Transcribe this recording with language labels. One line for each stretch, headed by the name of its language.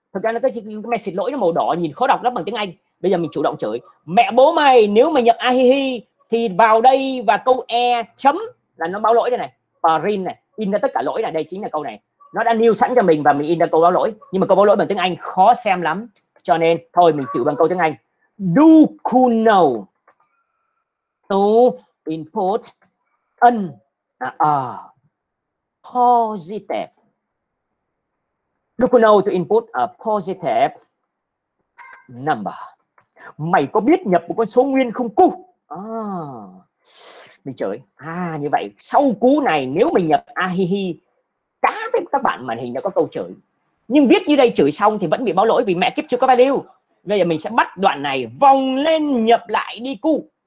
Vietnamese: Thực ra nó cái message lỗi nó màu đỏ nhìn khó đọc lắm bằng tiếng Anh. Bây giờ mình chủ động chửi. Mẹ bố mày, nếu mày nhập ahihi thì vào đây và câu e chấm là nó báo lỗi đây này. Print này, in ra tất cả lỗi này, đây chính là câu này. Nó đã lưu sẵn cho mình và mình in ra câu báo lỗi. Nhưng mà câu báo lỗi bằng tiếng Anh khó xem lắm. Cho nên thôi mình chửi bằng câu tiếng Anh.
English: Do you know to input an positive. Do you know to input a positive number?
Vietnamese: mày có biết nhập một con số nguyên không cu? À, mình chơi. À, như vậy sau cú này nếu mình nhập ahihi cá với các bạn màn hình đã có câu chửi. Nhưng viết như đây chửi xong thì vẫn bị báo lỗi vì mẹ kiếp chưa có value. Bây giờ mình sẽ bắt đoạn này vòng lên nhập lại đi cu.